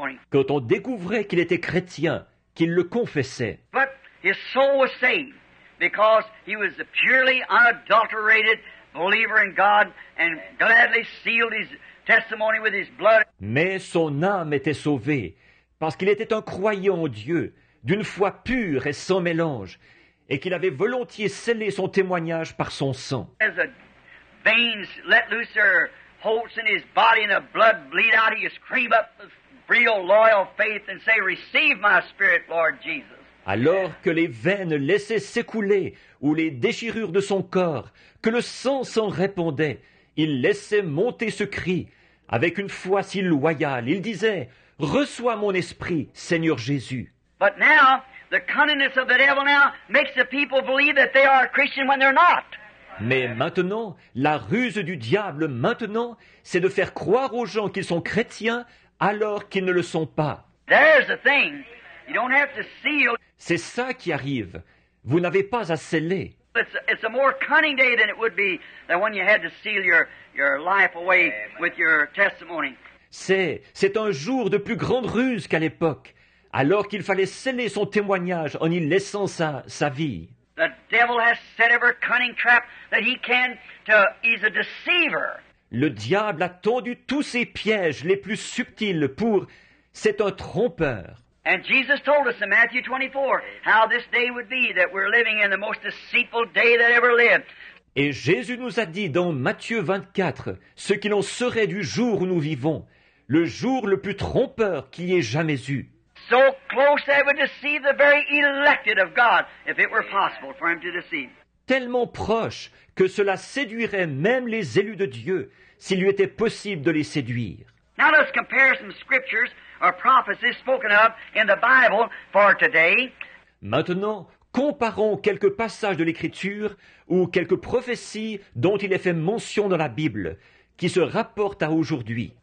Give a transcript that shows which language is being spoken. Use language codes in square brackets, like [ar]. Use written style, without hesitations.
[fr] Quand on découvrait qu'il était chrétien, qu'il le confessait. [en] But his soul was saved because he was a purely unadulterated believer in God and gladly sealed his testimony with his blood. [fr] Mais son âme était sauvée parce qu'il était un croyant en Dieu, d'une foi pure et sans mélange. Et qu'il avait volontiers scellé son témoignage par son sang. [en] As the veins let loose their holes in his body and the blood bleed out, he screamed up with real loyal faith and say, "Receive my spirit, Lord Jesus." [fr] Alors que les veines laissaient s'écouler ou les déchirures de son corps, que le sang s'en répandait, il laissait monter ce cri avec une foi si loyale. Il disait, "Reçois mon esprit, Seigneur Jésus." [en] But now. The cunningness of the devil now makes the people believe that they are a Christian when they're not. [fr] Mais maintenant, la ruse du diable maintenant, c'est de faire croire aux gens qu'ils sont chrétiens alors qu'ils ne le sont pas. [en] There's the thing. You don't have to seal. [fr] C'est ça qui arrive. Vous n'avez pas à sceller. [en] It's a more cunning day than it would be than when you had to seal your life away with your testimony. [fr] C'est un jour de plus grande ruse qu'à l'époque. Alors qu'il fallait sceller son témoignage en y laissant sa vie. [en] The devil has set every cunning trap that he can to, he's a deceiver. [fr] Le diable a tendu tous ses pièges les plus subtils pour, c'est un trompeur. [en] And Jesus told us in Matthew 24 how this day would be, that we're living in the most deceitful day that ever lived. [fr] Et Jésus nous a dit dans Matthieu 24 ce qu'il en serait du jour où nous vivons, le jour le plus trompeur qu'il y ait jamais eu. [en] So close that it would deceive the very elected of God if it were possible for him to deceive. [fr] Tellement proche que cela séduirait même les élus de Dieu s'il lui était possible de les séduire. [en] Now let's compare some scriptures or prophecies spoken of in the Bible for today. [fr] Maintenant, comparons quelques passages de l'Écriture ou quelques prophéties dont il est fait mention dans la Bible qui se rapportent à aujourd'hui.